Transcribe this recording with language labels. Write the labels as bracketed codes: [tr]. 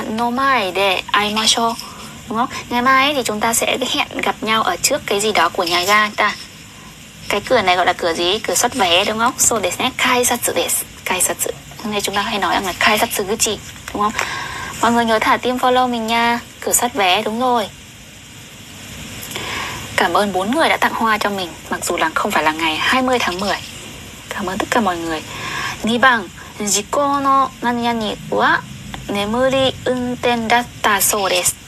[ja] 明日は駅の前で会いましょう. [vi] Đúng không? Ngày mai thì chúng ta sẽ hẹn gặp nhau ở trước cái gì đó của nhà ga ta. Cái cửa này gọi là cửa gì? Cửa xuất vé đúng không? [ja] So desu ne, kaisatsu desu. [vi] Kaisatsu. Hôm nay chúng ta hay nói rằng là kaisatsu gucci, đúng không? Mọi người nhớ thả tim follow mình nha. Cửa xuất vé, đúng rồi. Cảm ơn 4 người đã tặng hoa cho mình, mặc dù là không phải là ngày 20 tháng 10. Cảm ơn tất cả mọi người. Ni bang. [ja] 事故の何々は眠り運転だったそうです.